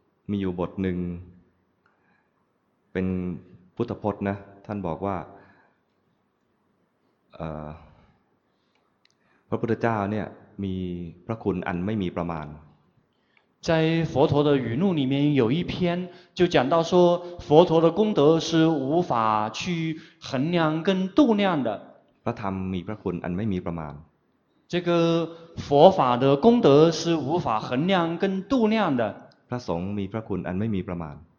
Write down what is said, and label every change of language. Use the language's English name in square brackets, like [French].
[Thai] มีอยู่บทหนึ่งเป็นพุทธพจน์นะท่านบอกว่าพระพุทธเจ้าเนี่ยมีพระคุณอันไม่มีประมาณ [Chinese] 在佛陀的语录里面有一篇就讲到说佛陀的功德是无法去衡量跟度量的 [Thai] พระธรรมมีพระคุณอันไม่มีประมาณ [Chinese] 这个佛法的功德是无法衡量跟度量的 [Thai] พระสงฆ์มีพระคุณอันไม่มีประมาณ